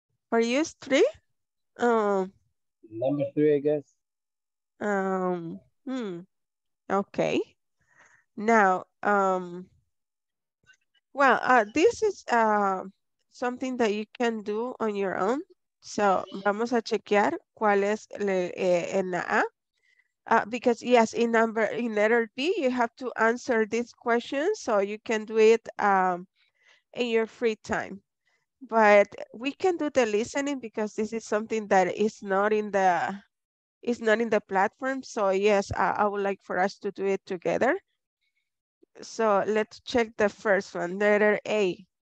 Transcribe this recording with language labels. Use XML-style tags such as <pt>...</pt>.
<en>For you, three? Number three, I guess. Okay. Now, this is something that you can do on your own.</en> <es>So vamos a chequear cuál es en la A.</es> <en>Because yes, in letter B, you have to answer this question, so you can do it in your free time. But we can do the listening because this is something that is not in the platform. So yes, I would like for us to do it together. So let's check the first one, letter A.</en>